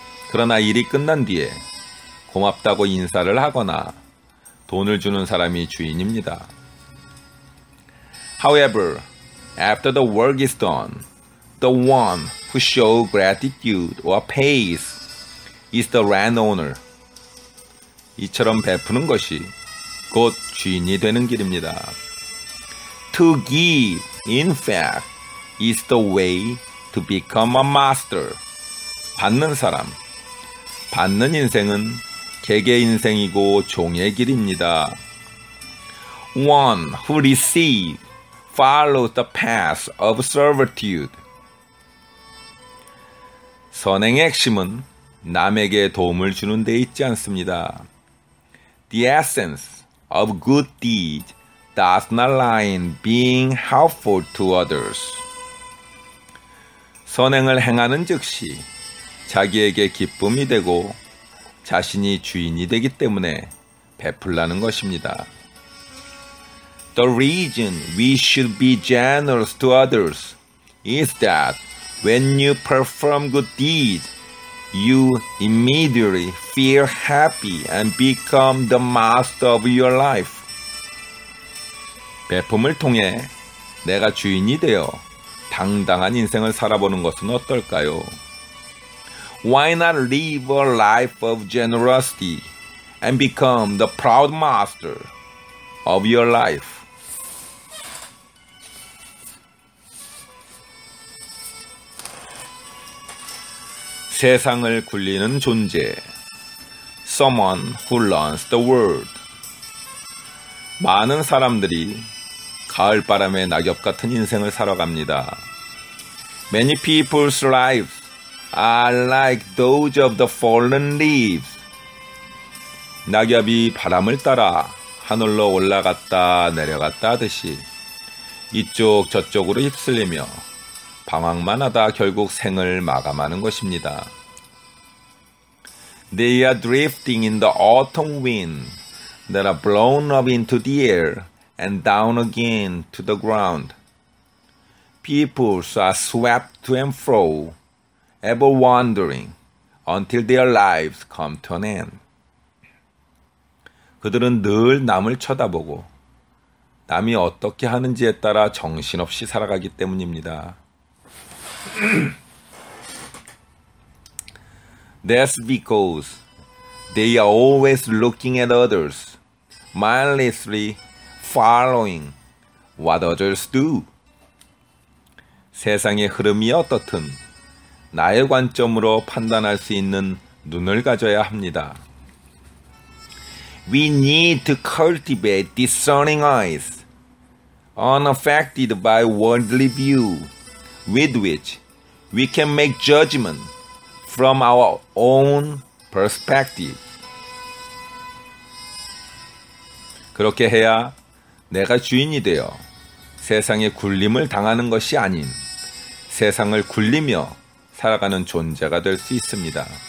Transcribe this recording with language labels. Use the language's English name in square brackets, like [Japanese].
[Korean] 그러나 일이 끝난 뒤에 고맙다고 인사를 하거나 돈을 주는 사람이 주인입니다. [English] However, after the work is done, the one who shows gratitude or pays is the landowner. [Korean] 이처럼 베푸는 것이 곧 주인이 되는 길입니다. [English] To give, in fact, is the way to become a master. [Korean] 받는 사람, 받는 인생은 개개 인생이고 종의 길입니다. [English] One who receives follows the path of servitude. [Korean] 선행의 핵심은 남에게 도움을 주는 데 있지 않습니다. [English] The essence of good deeds does not lie in being helpful to others. [Korean] 선행을 행하는 즉시 자기에게 기쁨이 되고 자신이 주인이 되기 때문에 베풀라는 것입니다. [English] The reason we should be generous to others is that when you perform good deeds, you immediately feel happy and become the master of your life. [Korean] 베품을 통해 내가 주인이 되어 당당한 인생을 살아보는 것은 어떨까요? [English] Why not live a life of generosity and become the proud master of your life? [Korean] 세상을 굴리는 존재, [English] someone who runs the world. [Korean] 많은 사람들이 가을바람에 낙엽 같은 인생을 살아갑니다. [English] Many people's lives are like those of the fallen leaves. [Korean] 낙엽이 바람을 따라 하늘로 올라갔다 내려갔다 하듯이 이쪽 저쪽으로 휩쓸리며 방황만 하다 결국 생을 마감하는 것입니다. [English] They are drifting in the autumn wind that are blown up into the air and down again to the ground. People are swept to and fro, ever wandering until their lives come to an end. [Korean] 그들은 늘 남을 쳐다보고 남이 어떻게 하는지에 따라 정신없이 살아가기 때문입니다. [English] That's because they are always looking at others, mindlessly following what others do. [Korean] 세상의 흐름이 어떻든 나의 관점으로 판단할 수 있는 눈을 가져야 합니다. [English] We need to cultivate discerning eyes, unaffected by worldly view, with which we can make judgment from our own perspective. [Korean] 그렇게 해야 내가 주인이 되어 세상의 굴림을 당하는 것이 아닌 세상을 굴리며 살아가는 존재가 될 수 있습니다.